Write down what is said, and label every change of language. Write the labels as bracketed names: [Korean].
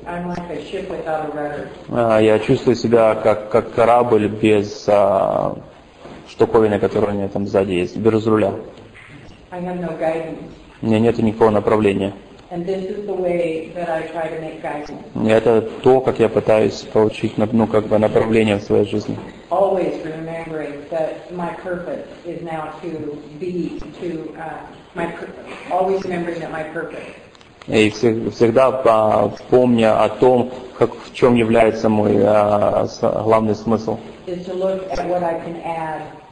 [English] I'm like a ship without a rudder. [Russian] Я чувствую себя как корабль без штуковины, которая у меня там сзади есть, без руля. [English] I have no guidance. [Russian] У меня нет никакого направления. [English] And this is the way that I try to make guidance. [Russian] Это то, как я пытаюсь получить, ну, как бы направление в своей жизни. [English] Always remembering that my purpose is now to be to my always remembering that my purpose. [Russian] И всегда помня о том, в чем является мой главный смысл. [English] Is to look at what I can add.